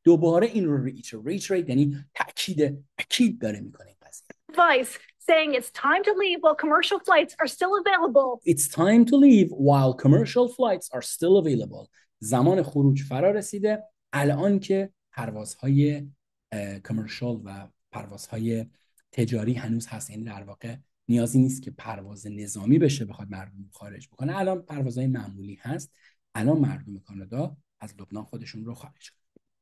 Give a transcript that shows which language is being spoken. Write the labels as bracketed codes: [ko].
[fa] دوباره این رو reiterate یعنی تاکید داره میکنه این قضیه. [en] Vice saying it's time to leave while commercial flights are still available. It's time to leave while commercial flights are still available. [fa] زمان خروج فرا رسیده الان که پروازهای کامرشال و پروازهای تجاری هنوز هست، یعنی در واقع نیازی نیست که پرواز نظامی بشه بخواد مردم خارج بکنه، الان پروازهای معمولی هست، الان مردم کانادا از لبنان خودشون رو خارج کنه.